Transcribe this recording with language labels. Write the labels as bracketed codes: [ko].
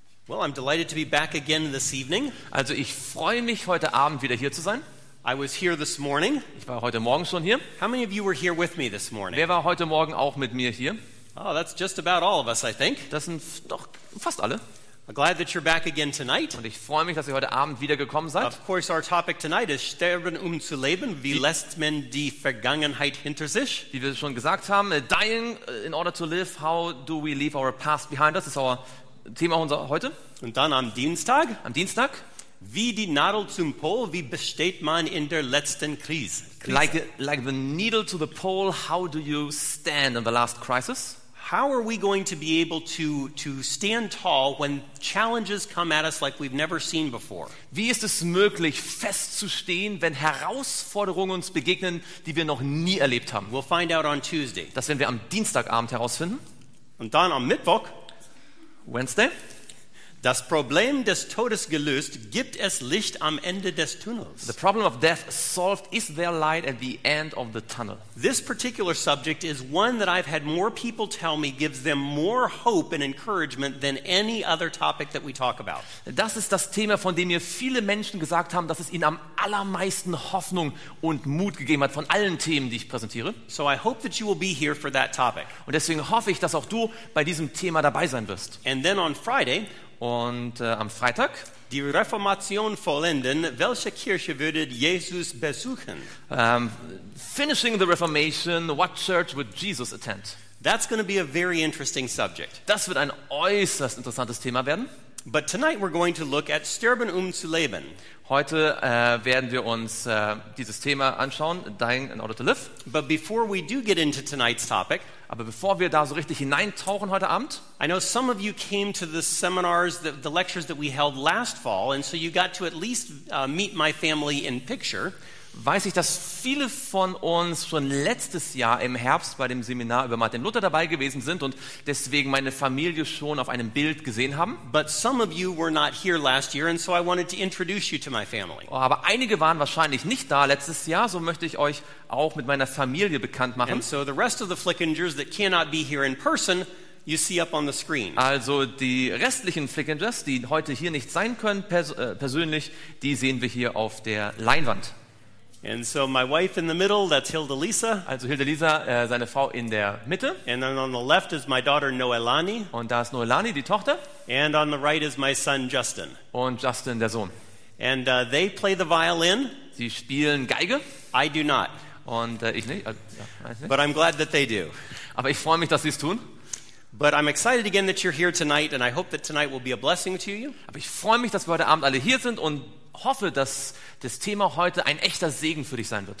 [en] I'm delighted to be back again this evening. [de] Also, ich freue mich heute Abend wieder hier zu sein. [en] I was here this morning. [de] Ich war heute Morgen schon hier. [en] How many of you were here with me this morning? [de] Wer war heute Morgen auch mit mir hier? [en] Oh, that's just about all of us, I think. [de] Das sind doch fast alle. [en] I'm glad that you're back again tonight. [de] Und ich freue mich, dass ihr heute Abend wieder gekommen seid. [en] Of course, our topic tonight is [de] sterben zu leben. Wie lässt man die Vergangenheit hinter sich? Wie wir schon gesagt haben, [en] dying in order to live. How do we leave our past behind us? [de] Das ist unser Thema heute. Und dann am Dienstag. Am Dienstag. Wie die Nadel zum Pol. Wie besteht man in der letzten Krise? [en] Like the needle to the pole. How do you stand in the last crisis? How are we going to be able to stand tall when challenges come at us like we've never seen before? [de] Wie ist es möglich, festzustehen, wenn Herausforderungen uns begegnen, die wir noch nie erlebt haben? [en] We'll find out on Tuesday. [de] Das werden wir am Dienstagabend herausfinden. Und dann am Mittwoch. [en] Wednesday. [de] Das Problem des Todes gelöst, gibt es Licht am Ende des Tunnels. [en] The problem of death solved, is there light at the end of the tunnel? This particular subject is one that I've had more people tell me gives them more hope and encouragement than any other topic that we talk about. [de] Das ist das Thema, von dem mir viele Menschen gesagt haben, dass es ihnen am allermeisten Hoffnung und Mut gegeben hat von allen Themen, die ich präsentiere. [en] So I hope that you will be here for that topic. [de] Und deswegen hoffe ich, dass auch du bei diesem Thema dabei sein wirst. [en] And then on Friday. [de] Und am Freitag, die Reformation vollenden, welche Kirche würdet Jesus besuchen? [en] Finishing the Reformation, what church would Jesus attend? That's going to be a very interesting subject. [de] Das wird ein äußerst interessantes Thema werden. [en] But tonight we're going to look at [de] sterben zu leben. Heute werden wir uns dieses Thema anschauen, [en] dying in order to live. But before we do get into tonight's topic, [de] aber bevor wir da so richtig hineintauchen heute Abend, [en] I know some of you came to the seminars, the lectures that we held last fall, and so you got to at least meet my family in picture. [de] Weiß ich, dass viele von uns schon letztes Jahr im Herbst bei dem Seminar über Martin Luther dabei gewesen sind und deswegen meine Familie schon auf einem Bild gesehen haben. [en] But some of you were not here last year, and so I wanted to introduce you to my family. [de] Aber einige waren wahrscheinlich nicht da letztes Jahr, so möchte ich euch auch mit meiner Familie bekannt machen. [en] And so the rest of the Flickingers that cannot be here in person, you see up on the screen. [de] Also die restlichen Flickingers, die heute hier nicht sein können persönlich, die sehen wir hier auf der Leinwand. [en] And so my wife in the middle, that's Hilda Lisa. [de] Also Hilda Lisa, seine Frau in der Mitte. [en] And then on the left is my daughter Noelani. [de] Und da ist Noelani, die Tochter. [en] And on the right is my son Justin. [de] Und Justin, der Sohn. [en] And they play the violin. [de] Sie spielen Geige. [en] I do not. [de] Und ich nicht. Weiß nicht. [en] But I'm glad that they do. [de] Aber ich freue mich, dass sie es tun. [en] But I'm excited again that you're here tonight, and I hope that tonight will be a blessing to you. [de] Aber ich freue mich, dass wir heute Abend alle hier sind und hoffe, dass das Thema heute ein echter Segen für dich sein wird.